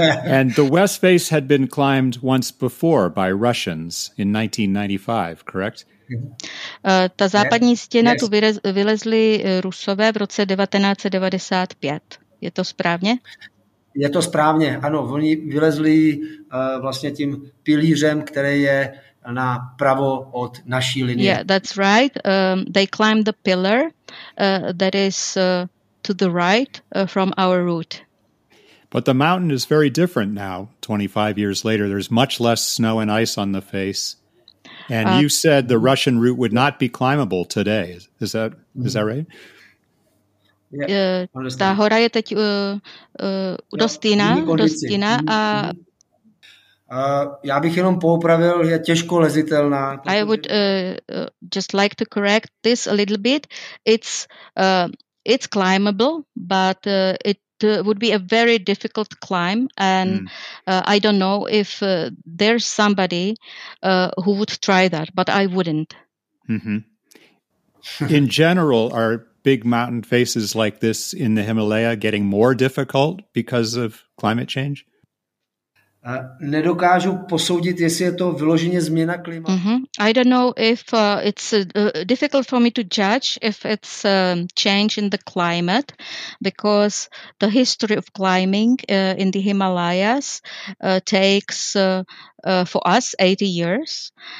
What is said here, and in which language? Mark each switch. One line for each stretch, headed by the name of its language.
English: And the West Face had been climbed once before by Russians in 1995, correct?
Czech: Ta západní stěna tu vylezli Rusové v roce 1995. Je to správně? Je to správně, ano. Oni vylezli vlastně tím pilířem, který je na pravo od naší linie.
English: Yeah, that's right. They climbed the pillar that is to the right from our route. But the mountain is very different now, 25 years later. There's much less snow and ice on the face. And you said the Russian route would not be climbable today. Is that right?
Czech: Yeah, ta hora je teď dost jiná. Já bych jenom poupravil, je těžko lezitelná.
English: I would just like to correct this a little bit. It's climbable, but it would be a very difficult climb, and I don't know if there's somebody who would try that, but I wouldn't. Mm-hmm. In general, are big mountain faces like this in the Himalaya getting more difficult because of climate change?
Czech: Nedokážu posoudit, jestli je to vyloženě změna klimatu.
English: I don't know if it's difficult for me to judge if it's a change in the climate, because the history of climbing in the Himalayas takes for us 80 years.